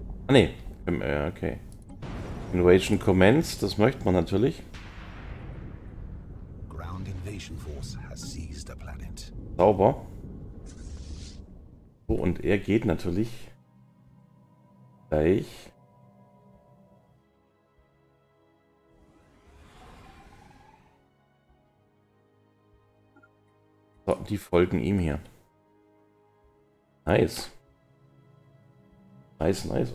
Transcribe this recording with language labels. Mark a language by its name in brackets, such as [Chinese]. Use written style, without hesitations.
[German] Nee, okay. [English] Invasion commenced, [German] das möchte man natürlich. [English] Ground Invasion Force has seized a planet. [German] Sauber. So, und er geht natürlich gleich. So, die folgen ihm hier. Nice. Nice, nice.